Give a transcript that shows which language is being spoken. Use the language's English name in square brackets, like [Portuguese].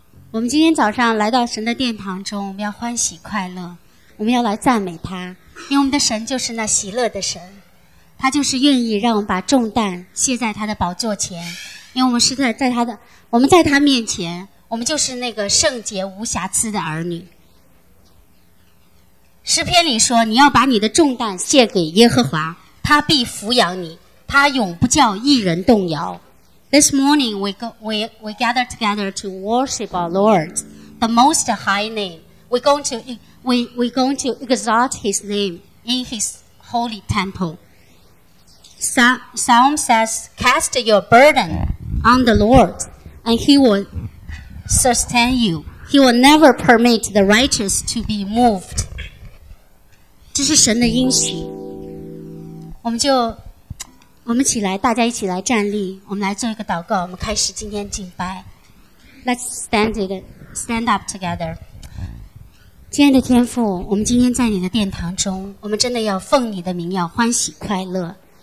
[Chinese] 我们今天早上来到神的殿堂中，我们要欢喜快乐，我们要来赞美他，因为我们的神就是那喜乐的神，他就是愿意让我们把重担卸在他的宝座前，因为我们是在他的，我们在他面前，我们就是那个圣洁无瑕疵的儿女。诗篇里说，你要把你的重担卸给耶和华，他必抚养你，他永不叫一人动摇。 [English] This morning we gather together to worship our Lord, the Most High name. We're going to exalt His name in His holy temple. Psalm says, "Cast your burden on the Lord, and He will sustain you. He will never permit the righteous to be moved." [Chinese] 这是神的应许。我们起来，大家一起来站立，我们来做一个祷告，我们开始今天敬拜。 [English] Let's stand up together. [Chinese] 亲爱的天父，我们今天在你的殿堂中，我们真的要奉你的名要欢喜快乐。